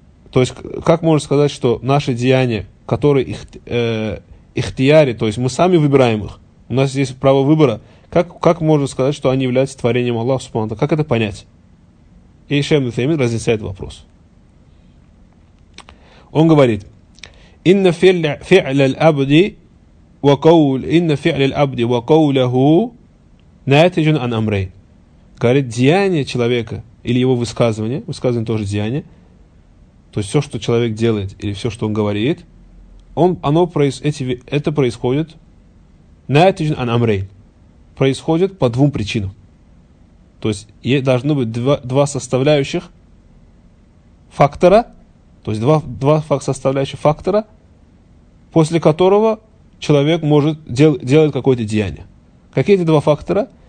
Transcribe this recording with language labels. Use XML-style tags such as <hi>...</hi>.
<ru>То есть, как можно сказать, что наши деяния, которые ихтияри, то есть мы сами выбираем их, у нас есть право выбора, как можно сказать, что они являются творением Аллаха Субхану Тааля? Как это понять? И Шейх Ибн Тэймия разъясняет вопрос. Он говорит:</ru> <ar>إن فعل العبد وقول إن فعل العبد وقوله ناتج عن أمرين.</ar> <ru>Говорит, деяние человека или его высказывание тоже деяние, то есть все, что человек делает или все, что он говорит, это происходит</ru> <ar>ناتج عن أمرين,</ar> <ru>происходит по двум причинам. То есть должны быть два составляющих фактора, то есть два составляющих фактора, после которого человек может делать какое-то деяние. Какие эти два фактора?</ru>